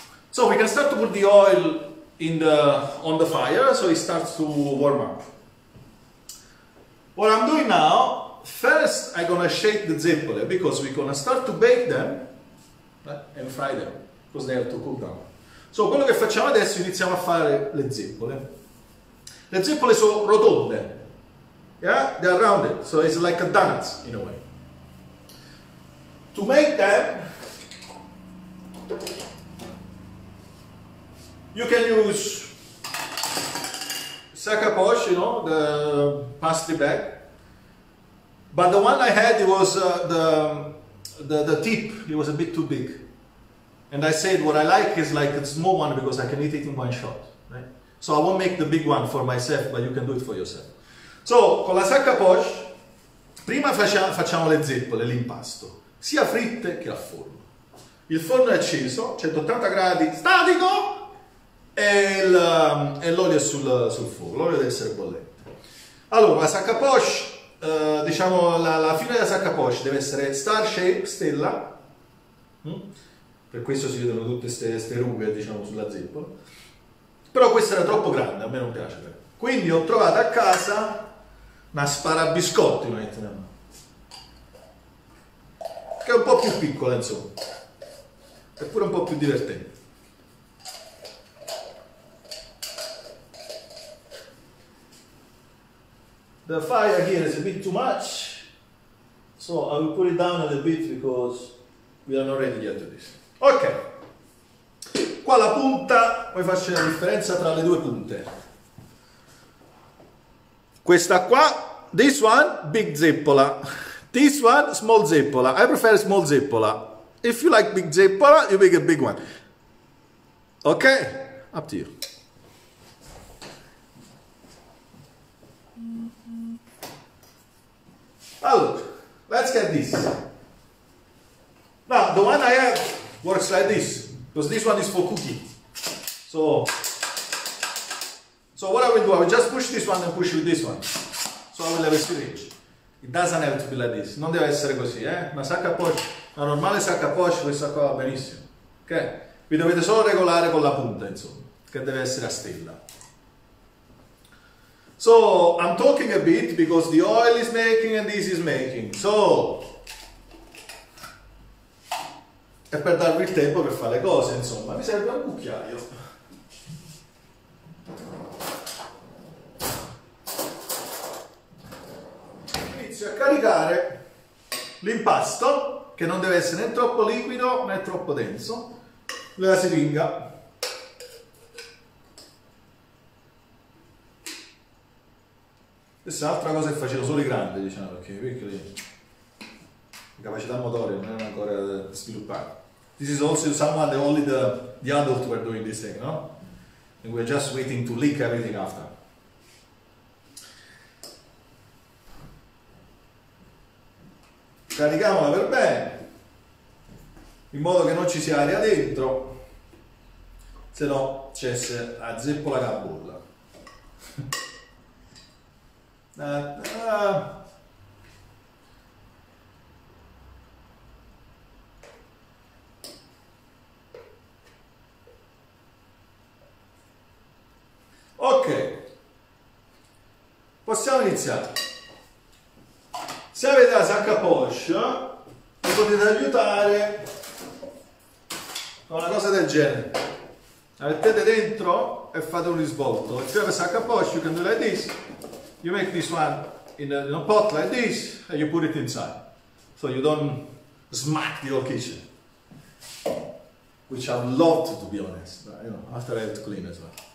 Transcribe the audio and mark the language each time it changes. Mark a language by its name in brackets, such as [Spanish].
[English] So we can start to put the oil in the on the fire, so it starts to warm up. What I'm doing now, first I'm gonna shake the zeppole because we're gonna start to bake them and fry them because they have to cool down. [Italian] So quello che facciamo adesso, iniziamo a fare le zeppole. Le zeppole sono rotonde, yeah? [English] They are rounded, so it's like a donut in a way. To make them, you can use sac à poche, you know, the pastry bag. But the one I had, it was the tip, it was a bit too big. And I said what I like is like a small one because I can eat it in one shot, right? So I won't make the big one for myself, but you can do it for yourself. [Italian] So, con la sac à poche, prima facciamo le zeppole, l'impasto. Sia fritte che a forno. Il forno è acceso, 180 gradi statico e l'olio è sul fuoco, l'olio deve essere bollente. Allora, la sac à poche, diciamo la fine della sac à poche deve essere star shape, stella, per questo si vedono tutte queste rughe, diciamo, sulla zeppola. Però questa era troppo grande, a me non piace. Quindi ho trovato a casa una sparabiscotti, non è che mano. Che è un po' più piccola, insomma, è pure un po' più divertente. [English] The fire here is a bit too much, so I will put it down a little bit because we are not ready yet to this. [Italian] Ok, qua la punta, poi faccio la differenza tra le due punte. Questa qua, [English] this one, big zeppola. This one, small zeppola. I prefer small zeppola. If you like big zeppola, you make a big one. Okay? Up to you. Mm-hmm. Now look, let's get this. Now, the one I have works like this, because this one is for cooking. So what I will do, I will just push this one and push with this one. So I will have a syringe. It doesn't have to be like this. [Italian] Non deve essere così, eh? Una sac à poche, una normale sac à poche, questa qua va benissimo. Ok? Vi dovete solo regolare con la punta, insomma, che deve essere a stella. [English] So, I'm talking a bit because the oil is making and this is making. [Italian] So, è per darvi il tempo per fare le cose, insomma. Mi serve un cucchiaio. A caricare l'impasto, che non deve essere né troppo liquido né troppo denso, la siringa. Questa è un'altra cosa che facevo solo i grandi, diciamo, perché i piccoli, la capacità motoria non erano ancora sviluppate. [English] This is also someone, only the adult were doing this thing, no? And we're just waiting to lick everything after. [Italian] Carichiamola per bene, in modo che non ci sia aria dentro, se no c'è la zeppola che bolla. Ok, iniziare. Se avete la sacca poche, vi potete aiutare con una cosa del genere. La mettete dentro e fate un risvolto. [English] If you have a sack of poche, you can do like this. You make this one in a pot like this and you put it inside. So you don't smack the whole kitchen. Which I love to be honest. But, you know, after I have to clean as well.